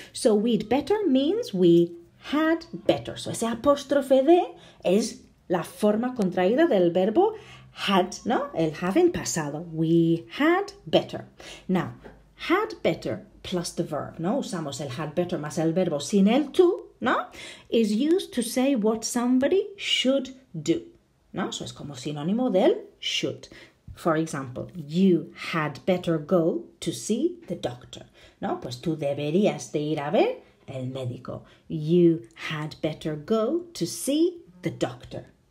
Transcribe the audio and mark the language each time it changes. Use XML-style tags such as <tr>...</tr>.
<en>So, we'd better means we had better.</en> <es>So, ese apóstrofe de es la forma contraída del verbo had, ¿no? El have en pasado.</es> <en>We had better. Now, had better plus the verb, ¿no?</en> <es>Usamos el had better más el verbo sin el to, ¿no?</es> <en>Is used to say what somebody should do. ¿No?</en> <es>Eso es como sinónimo del should.</es> <en>For example, you had better go to see the doctor.</en> <es>¿No? Pues tú deberías de ir a ver el médico.</es> <en>You had better go to see the doctor.</en>